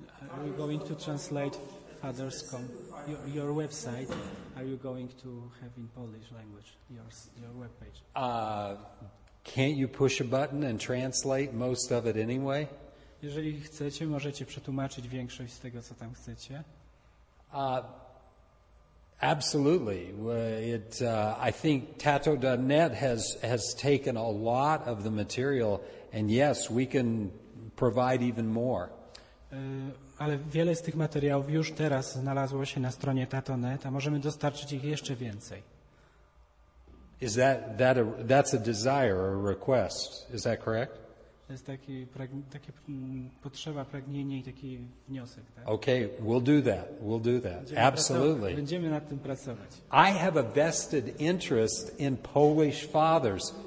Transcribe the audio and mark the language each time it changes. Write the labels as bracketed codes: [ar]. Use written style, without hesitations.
[en] Are you going to translate fathers.com, your website? Are you going to have in Polish language your webpage? Can't you push a button and translate most of it anyway? [pl] Jeżeli chcecie, możecie przetłumaczyć większość z tego, co tam chcecie. [en] Absolutely. I think tato.net has taken a lot of the material, and yes, we can provide even more. [pl] Ale wiele z tych materiałów już teraz znalazło się na stronie tato.net, a możemy dostarczyć ich jeszcze więcej. [en] Is that's a desire or a request? Is that correct? [pl] Jest taki potrzeba, pragnienie i taki wniosek, tak? [en] Okay, we'll do that. We'll do that. Absolutely. [pl] Będziemy nad tym pracować. [en] I have a vested interest in Polish fathers.